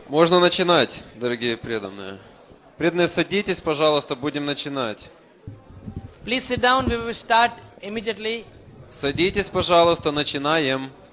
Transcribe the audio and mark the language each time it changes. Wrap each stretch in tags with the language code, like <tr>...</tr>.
<ru>Можно начинать, дорогие преданные. Преданные, садитесь, пожалуйста, будем начинать.</ru> <en>Please sit down, we will start immediately.</en> <ru>Садитесь, пожалуйста, начинаем.</ru>